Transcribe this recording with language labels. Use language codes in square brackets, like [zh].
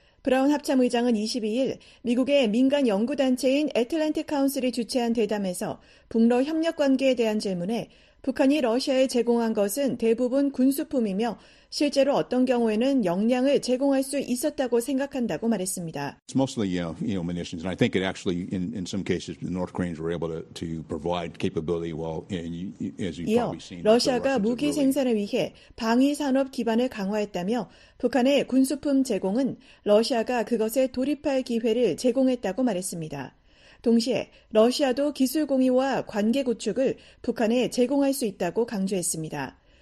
[ko] 브라운 합참의장은 22일 미국의 민간 연구단체인 애틀랜틱 카운슬이 주최한 대담에서 북러 협력 관계에 대한 질문에 북한이 러시아에 제공한 것은 대부분 군수품이며 실제로 어떤 경우에는 역량을 제공할 수 있었다고 생각한다고 말했습니다. [en] It's mostly, munitions, and I think it actually, in some cases, the North Koreans were able to provide capability while, and you, as you've probably seen. [ko] 러시아가 무기 생산을 위해 방위 산업 기반을 강화했다며 북한의 군수품 제공은 러시아가 그것에 돌입할 기회를 제공했다고 말했습니다. 동시에 러시아도 기술 공유와 관계 구축을 북한에 제공할 수 있다고 강조했습니다.